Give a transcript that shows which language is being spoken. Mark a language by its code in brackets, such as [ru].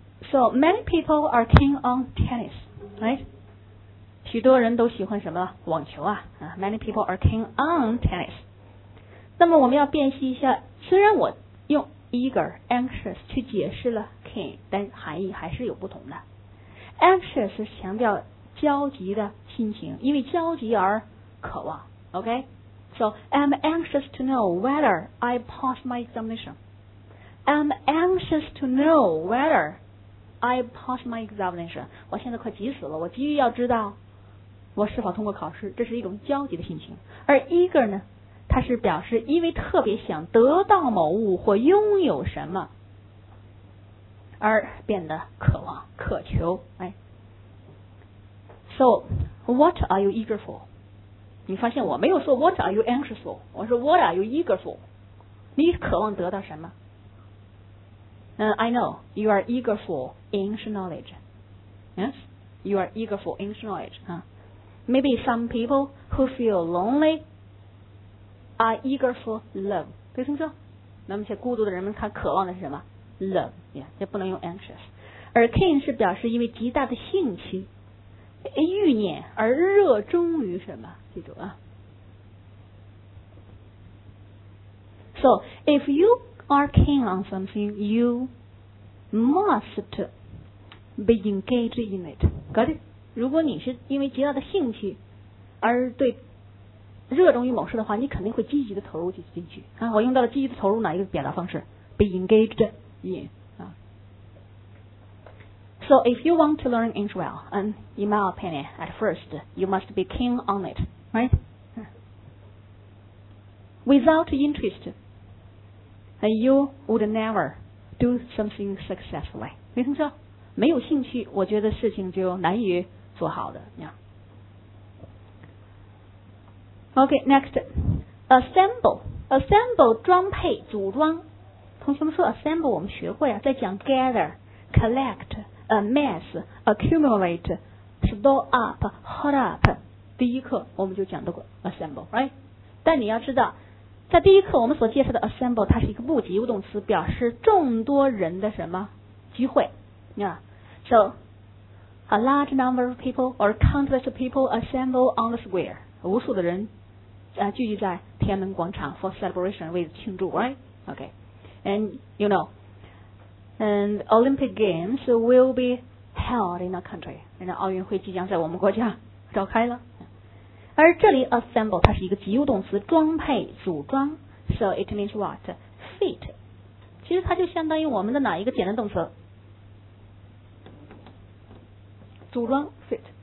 [en] So many people are keen on tennis, right? [zh] 许多人都喜欢什么，网球啊。 [en] Many people are keen on tennis. [zh] 那么我们要辨析一下，虽然我用 eager, anxious 去解释了 keen, 但含义还是有不同的。 Anxious 强调焦急的心情，因为焦急而渴望， OK? [en] So, I'm anxious to know whether I pass my examination. I'm anxious to know whether I pass my examination. [zh] 我现在快急死了，我急于要知道我是否通过考试，这是一种焦急的心情。而 eager 呢，它是表示因为特别想得到某物或拥有什么而变得渴望渴求、哎、 [en] So what are you eager for? [zh] 你发现我没有说 [en] what are you anxious for? [zh] 我说 [en] what are you eager for? [zh] 你渴望得到什么、 [en] I know you are eager for ancient knowledge. Yes? You are eager for ancient knowledge.、Huh? Maybe some people who feel lonely are eager for love. [zh] 对听说那么些孤独的人们他渴望的是什么 [en] Love, [zh] yeah, 也不能用 anxious. 而 keen 是表示因为极大的兴趣、欲念而热衷于什么？记住啊。 [en] So if you are keen on something, you must be engaged in it. Got it? [zh] 如果你是因为极大的兴趣而对热衷于某事的话，你肯定会积极的投入进去。啊，我用到了积极的投入哪一个表达方式 ？Be engaged. [en] Yeah. So if you want to learn English well, and in my opinion, at first, you must be keen on it, right? Without interest, you would never do something successfully. [zh] 没听说？没有兴趣，我觉得事情就难以做好的。 [en] Yeah. Okay, next. Assemble, 装配，组装。 [zh] 同学们说 assemble 我们学过呀，在讲 gather, collect, amass, accumulate, store up, hold up 第一课我们就讲到过 assemble, right? 但你要知道在第一课我们所介绍的 assemble 它是一个不及物动词，表示众多人的什么聚会、yeah. [en] So a large number of people or countless of people assemble on the square [zh] 无数的人、聚集在天安门广场 [en] for celebration [zh] 为庆祝 right? Okay. [en] And you know, and Olympic Games will be held in a country. [zh] 现在奥运会即将在我们国家召开了。而这里 assemble 它是一个及物动词，装配、组装。 [en] So it means what? Fit. [zh] 其实它就相当于我们的哪一个简单动词？组装 fit.